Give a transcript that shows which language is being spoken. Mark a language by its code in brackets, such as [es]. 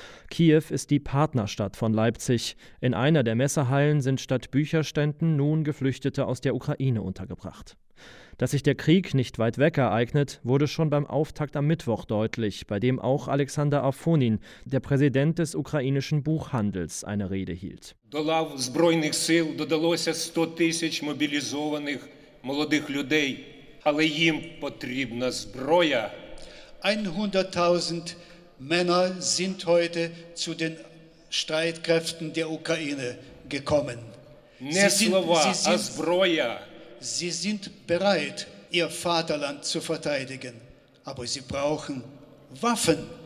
[de] Kiew ist die Partnerstadt von Leipzig. In einer der Messehallen sind statt Bücherständen nun Geflüchtete aus der Ukraine untergebracht. Dass sich der Krieg nicht weit weg ereignet, wurde schon beim Auftakt am Mittwoch deutlich, bei dem auch Alexander Afonin, der Präsident des ukrainischen Buchhandels, eine Rede hielt. [uk] До лав Збройних сил додалося 100 тисяч мобілізованих молодих людей, але їм потрібна зброя. [de] 100.000 Männer sind heute zu den Streitkräften der Ukraine gekommen. [uk] Не слова, а зброя. [de] Sie sind bereit, ihr Vaterland zu verteidigen, aber sie brauchen Waffen.